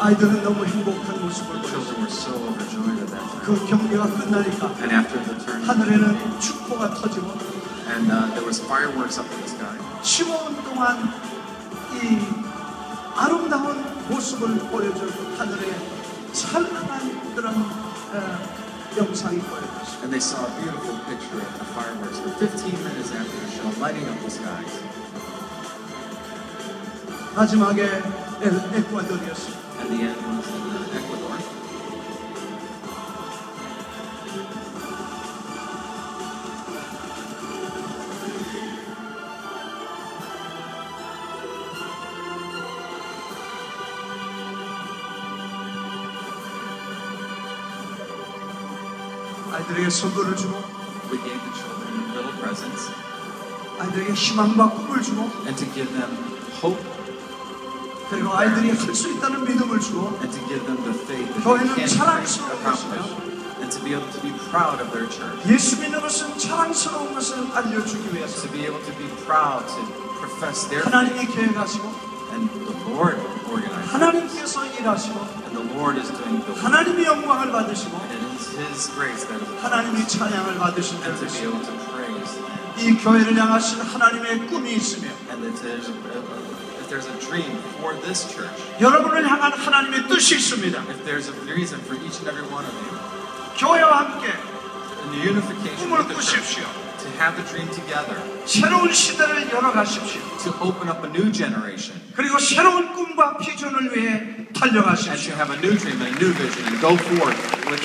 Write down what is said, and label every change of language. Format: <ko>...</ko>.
<ko>아이들은 너무 행복한 모습을 보여서</ko> <en>were so overjoyed at that time.</en> <ko>그 경기가 끝나니까</ko> <en>and after the turn,</en> <ko>하늘에는 축복이 터지고.</ko> <en>And there was fireworks up in the sky.</en> <ko>15년 동안 이 아름다운 모습을 보여줄 하늘에 찬란한 그런 영상이 보여졌어요.</ko> <en>And they saw a beautiful picture of the fireworks for 15 minutes after the show, lighting up the skies.</en> <ko>마지막에 에콰도르였어요.</ko> <en>And the end was in Ecuador.</en> <ko>아이들에게 선물을 주고,</ko> <en>we gave the children little presents.</en> <ko>아이들에게 희망과 꿈을 주고,</ko> <en>and to give them hope.</en> <ko>그리고 아이들이 할 수 있다는 믿음을 주고,</ko> <en>and to give them the faith.</en> <ko>교회는 자랑스러운 것이며,</ko> <en>and to be able to be proud of their church.</en> <ko>예수 믿는 것은 자랑스러운 것을 알려주기 위해서,</ko> <en>to be able to be proud to profess their faith.</en> <ko>하나님이 계획하시고,</ko> <en>and the Lord organized.</en> <ko>하나님께서 일하시고,</ko> <en>and the Lord is doing the work.</en> <ko>하나님이 영광을 받으시고,</ko> <en>His grace that is</en> <ko>하나님이 찬양을 받으신 것이 이 교회를 향하신 하나님의 꿈이 있으며</ko> <en>if there's a dream for this church,</en> <ko>여러분을 향한 하나님의 뜻이 있습니다.</ko> <en>If there's a reason for each and every one of you,</en> <ko>교회와 함께</ko> <en>the unification</en> <ko>꿈을 꾸십시오.</ko> <en>To have the dream together,</en> <ko>새로운 시대를 열어가십시오.</ko> <en>To open up a new generation,</en> <ko>그리고 새로운 꿈과 비전을 위해 달려가십시오.</ko> <en>As you have a new dream, a new vision, and go forth.</en>